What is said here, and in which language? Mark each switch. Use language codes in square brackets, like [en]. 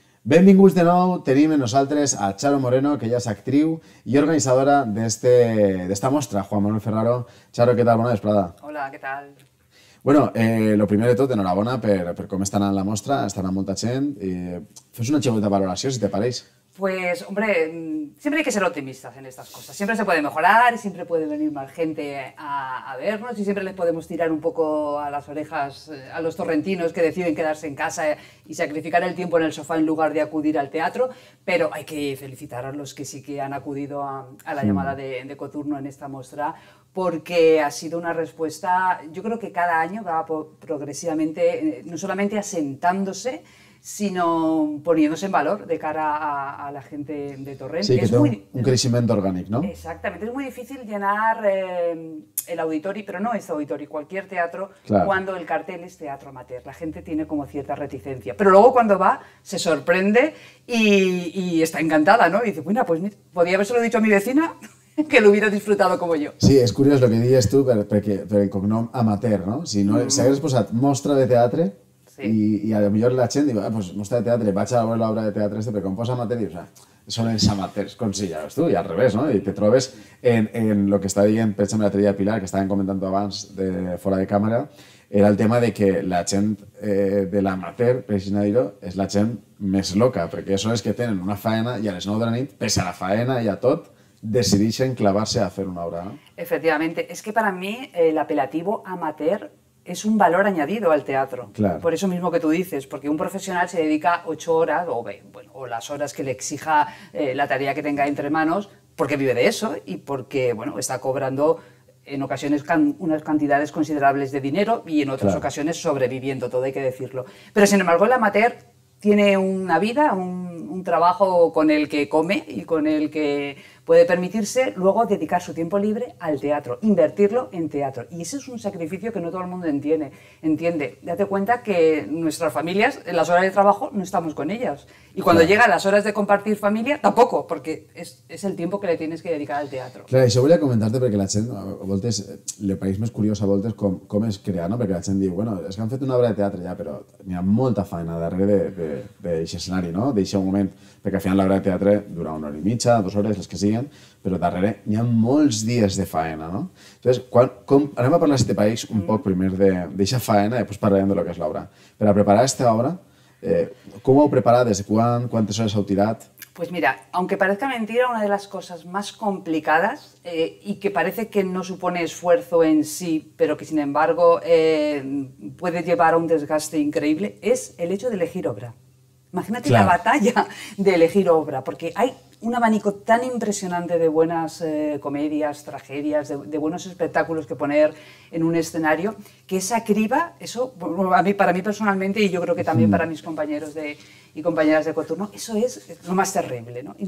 [ca] Benvinguts de nou, tenim nosaltres a Charo Moreno, que ja és actriu i organitzadora d'esta mostra, Juan Manuel Ferraro. Charo, què tal? Bona vesprada. Hola, què tal? Bueno, lo primer de tot, enhorabona per com està anant la mostra, està anant molta gent. Fes una xicoteta valoració, si te pareix. [es] Pues, hombre, siempre hay que ser optimistas en estas cosas. Siempre se puede mejorar, siempre puede venir más gente a vernos y siempre les podemos tirar un poco a las orejas a los torrentinos que deciden quedarse en casa y sacrificar el tiempo en el sofá en lugar de acudir al teatro. Pero hay que felicitar a los que sí que han acudido a la llamada de Coturno en esta mostra, porque ha sido una respuesta, yo creo que cada año va progresivamente, no solamente asentándose, sino poniéndose en valor de cara a la gente de Torrent. Sí, que es un crecimiento orgánico, ¿no? Exactamente. Es muy difícil llenar el auditorio, pero no este auditorio, cualquier teatro, claro, cuando el cartel es teatro amateur. La gente tiene como cierta reticencia. Pero luego cuando va, se sorprende y está encantada, ¿no? Y dice, bueno, pues podría habérselo dicho a mi vecina, que lo hubiera disfrutado como yo. Sí, es curioso lo que dices tú, pero el cognom amateur, ¿no? Si no, si hubieras puesto mostra de teatro, sí. [ca] I [es] a lo mejor la gente dice, pues [ca] mostra de teatro, vaig a veure l'obra de teatro este, pero com posa amateur, o sea, son els amateurs, com si ja ves tu, i al revés, no? I te trobes en lo que està dient, per exemple, la teoria de Pilar, que estàvem comentant abans de fora de càmera, era el tema de que la gent de l'amateur, per així no dir-ho, és la gent més loca, perquè són els que tenen una faena i a les 9 de la nit, pese a la faena i a tot, decideixen clavar-se a fer una obra, no? [es] Efectivamente, es que para mí el apelativo amateur es un valor añadido al teatro, claro, por eso mismo que tú dices, porque un profesional se dedica 8 horas, o las horas que le exija la tarea que tenga entre manos, porque vive de eso y porque está cobrando en ocasiones unas cantidades considerables de dinero y en otras, claro, ocasiones sobreviviendo, todo hay que decirlo. Pero sin embargo el amateur tiene una vida, un trabajo con el que come y con el que puede permitirse luego dedicar su tiempo libre al teatro, invertirlo en teatro. Y ese es un sacrificio que no todo el mundo entiende. Date cuenta que nuestras familias, en las horas de trabajo, no estamos con ellas. Y cuando, claro, llegan las horas de compartir familia, tampoco, porque es el tiempo que le tienes que dedicar al teatro. Claro, y se voy a comentarte, porque la gente, a veces, le parece más curioso a veces cómo es crear, ¿no? Porque la gente dice, bueno, es que han hecho una obra de teatro ya, pero me ha mucha faena darrere de ese escenario, ¿no? De ese momento. [ca] Perquè al final l'obra de teatre dura 1 hora i mitja, 2 hores, les que siguin, però darrere hi ha molts dies de faena, no? Llavors, anem a parlar si te pareix un poc primer d'aquesta faena i després parlarem de lo que és l'obra. Per a preparar aquesta obra, com ho heu preparat, des de quan, quantes hores heu tirat? [es] Pues mira, aunque parezca mentira, una de las cosas más complicadas y que parece que no supone esfuerzo en sí, pero que sin embargo puede llevar a un desgaste increíble, es el hecho de elegir obra. Imagínate, claro, la batalla de elegir obra, porque hay un abanico tan impresionante de buenas comedias, tragedias, de buenos espectáculos que poner en un escenario, que esa criba, eso para mí personalmente, y yo creo que también para mis compañeros y compañeras de Coturno, eso es lo más terrible, ¿no?